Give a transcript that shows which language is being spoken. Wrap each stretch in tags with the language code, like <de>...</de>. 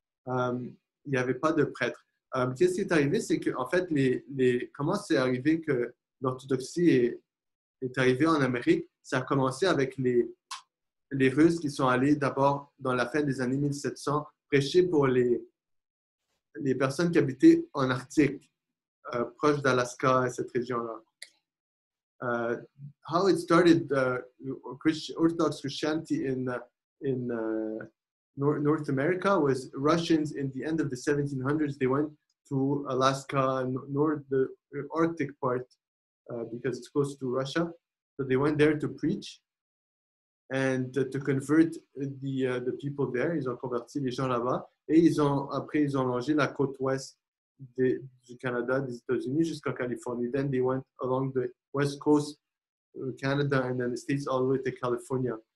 <fr>Il n'y avait pas de prêtre. Qu'est-ce qui est arrivé? C'est que, en fait, comment c'est arrivé que l'orthodoxie est arrivée en Amérique? Ça a commencé avec les Russes qui sont allés d'abord, dans la fin des années 1700, prêcher pour les personnes qui habitaient en Arctique, proche d'Alaska et cette région-là.</fr> <en>How it started Orthodox Christianity in North America was Russians in the end of the 1700s. They went to Alaska, the Arctic part, because it's close to Russia. So they went there to preach and to convert the people there.</en> <fr>Ils ont converti les gens là-bas et ils ont longé la côte ouest du Canada, des États-Unis jusqu'en Californie.</fr> <en>Then they went along the West Coast, Canada, and then the States all the way to California.</en>